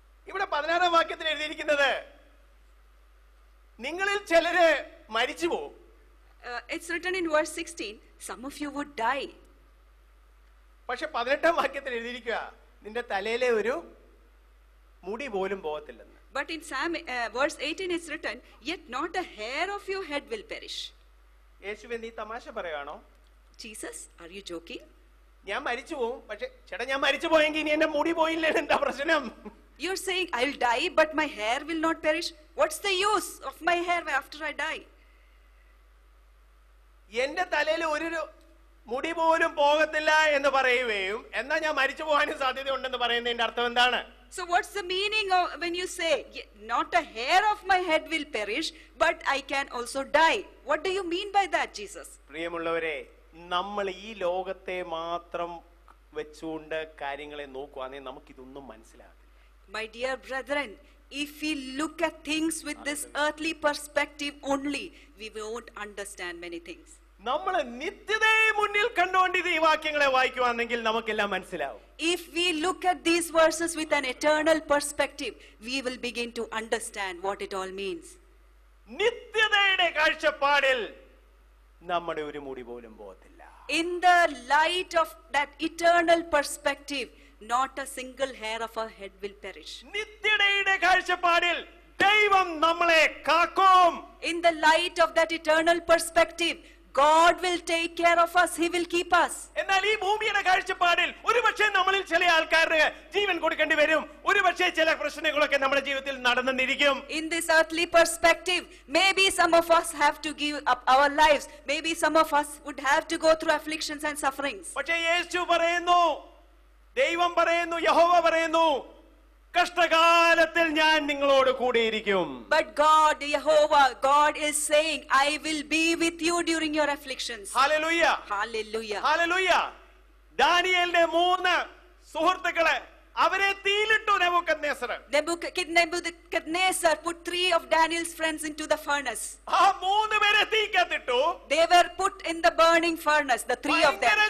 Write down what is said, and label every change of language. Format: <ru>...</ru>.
<ml>ഇവിടെ 16 വാക്യത്തിൽ എഴുതിയിരിക്കുന്നത് നിങ്ങളിൽ ചിലര് മരിച്ചു പോകും.</ml> <en>It's written in verse 16, some of you would die.</en> <ml>പക്ഷേ 18 വാക്യത്തിൽ എഴുതിയിരിക്കുക നിന്റെ തലയിലെ ഒരു മുടി പോലും പോകത്തില്ലെന്ന്.</ml> <en>But in Psalm, verse 18 it's written, yet not a hair of your head will perish.</en> <ml>യേശുവേ നീ തമാശ പറയാണോ?</ml> <en>Jesus, are you joking?</en> <ml>ഞാൻ മരിച്ചു പോകും, പക്ഷേ ചേട്ടാ ഞാൻ മരിച്ചു പോയെങ്കിൽ ഇനി എന്റെ മുടി പോയില്ലേ, എന്താ പ്രശ്നം?</ml> <en>You're saying I'll die but my hair will not perish. What's the use of my hair after I die?</en> <ml>എന്റെ തലയിൽ ഒരു മുടി പോലും പോകത്തില്ല എന്ന് പറയുകയും എന്നാ ഞാൻ മരിച്ചു പോകാനും സാധ്യതയുണ്ടെന്ന് പറയുന്നതിന്റെ അർത്ഥം എന്താണ്?</ml> <en>So what's the meaning of when you say not a hair of my head will perish but I can also die? What do you mean by that, Jesus?</en> <ml>പ്രിയമുള്ളവരെ, നമ്മൾ ഈ ലോകത്തെ മാത്രം വെച്ചുകൊണ്ട് കാര്യങ്ങളെ നോക്കുവാനേ നമുക്ക് ഇതൊന്നും മനസ്സിലാകില്ല.</ml> <en>My dear brethren, if we look at things with this earthly perspective only, we won't understand many things.</en> <ml>നമ്മളെ നിത്യതയെ മുന്നിൽ കണ്ടുകൊണ്ട് ഈ വാക്യങ്ങളെ വായിക്കുവാണെങ്കിൽ നമുക്കെല്ലാം മനസ്സിലാവും.</ml> <en>If we look at these verses with an eternal perspective, we will begin to understand what it all means.</en> <ml>നിത്യതയുടെ കാഴ്ചപ്പാടിൽ നമ്മുടെ ഒരു മുടി പോലും പോകത്തില്ല.</ml> <en>In the light of that eternal perspective, not a single hair of our head will perish.</en> <ml>നിത്യതയുടെ കാഴ്ചപ്പാടിൽ ദൈവം നമ്മളെ കാക്കും.</ml> <en>In the light of that eternal perspective, God will take care of us. He will keep us.</en> <ml>എന്നാൽ ഈ ഭൂമിയുടെ കാഴ്ചപ്പാടിൽ ഒരുപക്ഷേ നമ്മളിൽ ചില ആൾക്കാരെ ജീവൻ കൊടുക്കേണ്ടി വരും. ഒരുപക്ഷേ ചില പ്രശ്നങ്ങളൊക്കെ നമ്മുടെ ജീവിതത്തിൽ നടന്നിരിക്കും.</ml> <en>In this earthly perspective, maybe some of us have to give up our lives. Maybe some of us would have to go through afflictions and sufferings.</en> <ml>പക്ഷേ യേശു പറയുന്നു, ദൈവം പറയുന്നു, യഹോവ പറയുന്നു, കഷ്ടകാലത്തിൽ ഞാൻ നിങ്ങളോട് കൂടെ ഇരിക്കും.</ml> <en>But God, Jehovah, God is saying, I will be with you during your afflictions. Hallelujah. Hallelujah. Hallelujah.</en> <ml>ദാനിയേലിന്റെ മൂന്ന് സുഹൃത്തുക്കളെ അവരെ തീയിലിട്ടു Nebuchadnezzar.</ml> <en>Nebuchadnezzar put three of Daniel's friends into the furnace.</en> <ml>ആ മൂന്ന് പേരെ തീക്കത്തിട്ടു.</ml> <en>They were put in the burning furnace, the three of them.</en>